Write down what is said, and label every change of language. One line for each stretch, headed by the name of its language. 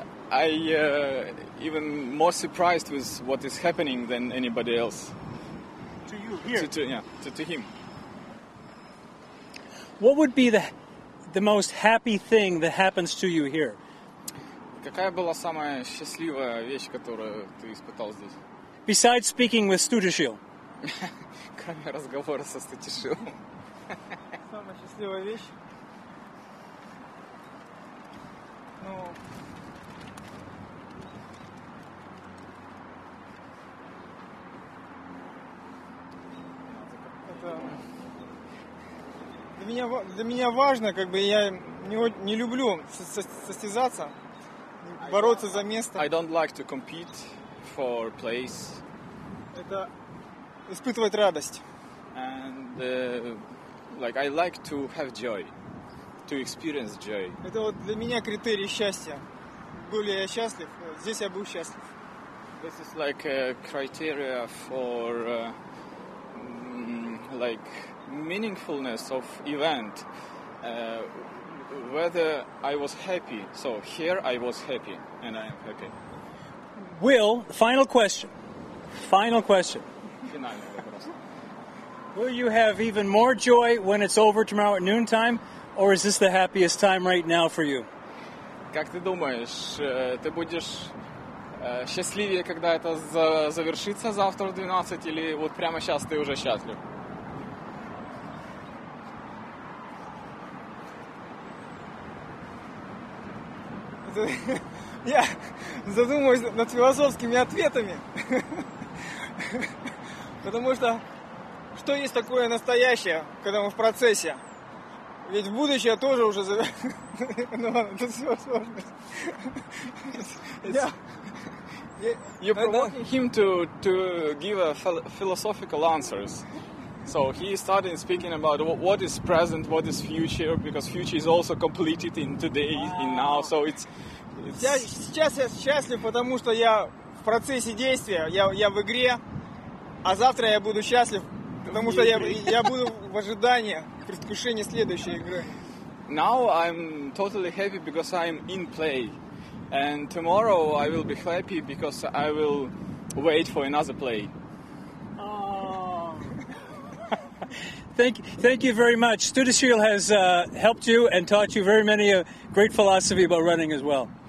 English: I even more surprised with what is happening than anybody else. To you here. To him. What would be the most happy thing that happens to you here?
Russian: Какая была самая счастливая вещь, которую ты испытал здесь?
English: Besides speaking with Stutishil.
Russian: Кроме разговора со Stutishil. Самая счастливая вещь. Ну. Это для меня важно, как бы я не люблю состязаться, бороться за место.
English: I don't like to compete for place.
Russian: Это испытывать радость.
English: And like I like to have joy, to experience joy.
Russian: Это вот для меня критерий счастья. Был ли я счастлив? Здесь я был счастлив.
English: This is like a criteria for like meaningfulness of event. Whether I was happy. So here I was happy, and I am happy. Will, final question. Final question. Will you have even more joy when it's over tomorrow at noontime, or is this the happiest time right now for you?
Russian: Как ты думаешь, ты будешь счастливее, когда это завершится завтра в 12, или вот прямо сейчас ты уже счастлив? Я задумываюсь над философскими ответами. Потому что что есть такое настоящее, когда мы в процессе? Ведь будущее тоже уже завершено. Ну, это все сложно.
English: You promote him to give a philosophical answers. So he started speaking about what is present, what is future, because future is also completed in today, in now. So
Russian: сейчас я счастлив, потому что я в процессе действия, я в игре, а завтра я буду счастлив, потому что я буду в ожидании, в предвкушении следующей игры.
English: Now I'm totally happy because I'm in play, and tomorrow I will be happy because I will wait for another play. Thank you very much. Stutishil has helped you and taught you very many a great philosophy about running as well.